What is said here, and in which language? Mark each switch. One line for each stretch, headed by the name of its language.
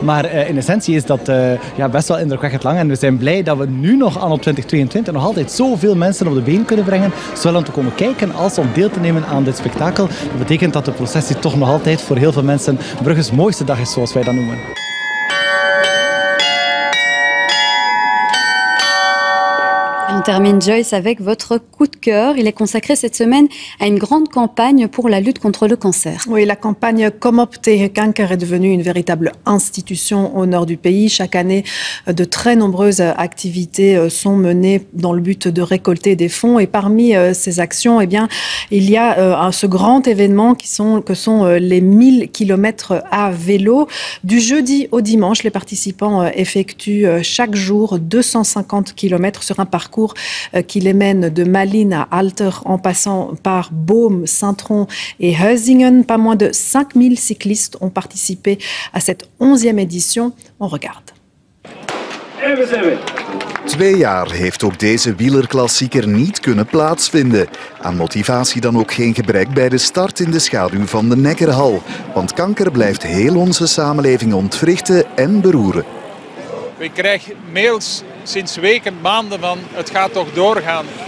Dutch: Maar in essentie is dat best wel indrukwekkend lang. En we zijn blij dat we nu nog anno 2022 nog altijd zoveel mensen op de been kunnen brengen. Zowel om te komen kijken als om deel te nemen aan dit spektakel. Dat betekent dat de processie toch nog altijd voor heel veel mensen Brugge's mooiste dag is, zoals wij dat noemen.
French: On termine, Joyce, avec votre coup de cœur. Il est consacré cette semaine à une grande campagne pour la lutte contre le cancer. Oui, la campagne Kom op tegen kanker est devenue une véritable institution au nord du pays. Chaque année, de très nombreuses activités sont menées dans le but de récolter des fonds. Et parmi ces actions, eh bien, il y a ce grand événement que sont les 1000 km à vélo. Du jeudi au dimanche, les participants effectuent chaque jour 250 km sur un parcours qui les mène de Malines à Alter en passant par Beaume, Saint-Trond et Heusingen. Pas moins de 5000 cyclistes ont participé à cette 11e édition. On regarde.
Dutch: Twee jaar heeft ook deze wielerklassieker niet kunnen plaatsvinden. Aan motivatie dan ook geen gebrek bij de start in de schaduw van de Neckerhal. Want kanker blijft heel onze samenleving ontwrichten en beroeren. Ik krijg mails sinds weken, maanden van het gaat toch doorgaan.